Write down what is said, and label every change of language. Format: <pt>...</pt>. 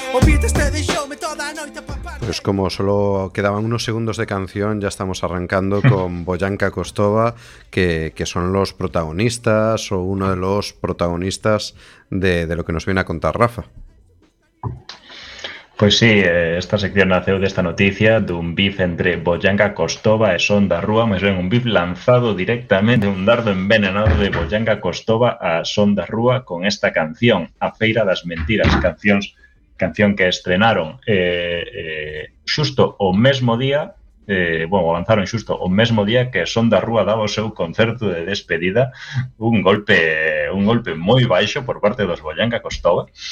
<gl>O beat este deixoume toda a noite pa.</gl> <es>Pues como solo quedaban unos segundos de canción, ya estamos arrancando con Boyanka Kostova, que son los protagonistas o uno de los protagonistas de lo que nos viene a contar Rafa. Pues sí,</es> <gl>esta sección naceu desta noticia dun beef entre Boyanka Kostova e Son da Rúa, máis ben un beef lanzado directamente, un dardo envenenado de Boyanka Kostova a Son da Rúa con esta canción, A Feira das Mentiras, canción que estrenaron xusto o mesmo día, avanzaron xusto o mesmo día que Son da Rúa daba o seu concerto de despedida, un golpe moi baixo por parte dos Boyanka Kostova.</gl>